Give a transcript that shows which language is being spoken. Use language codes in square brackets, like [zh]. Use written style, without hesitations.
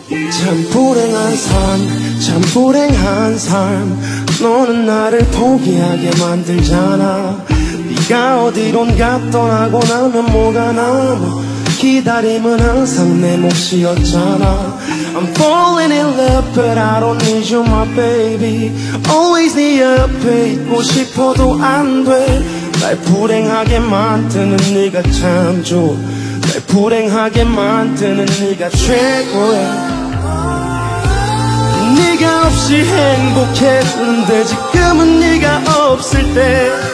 [ko] 참 불행한 삶, 참 불행한 삶. 너는 나를 포기하게 만들잖아. 네가 어디론가 떠나고 나면 뭐가 남아. 기다림은 항상 내 몫이었잖아. [en] I'm falling in love but I don't need you my baby. Always [ko] 네 옆에 있고 싶어도 안 돼. 날 불행하게 만드는 네가 참 좋아. 날 불행하게 만드는 네가 최고야. 네가 없이 행복했는데 지금은 네가 없을 때.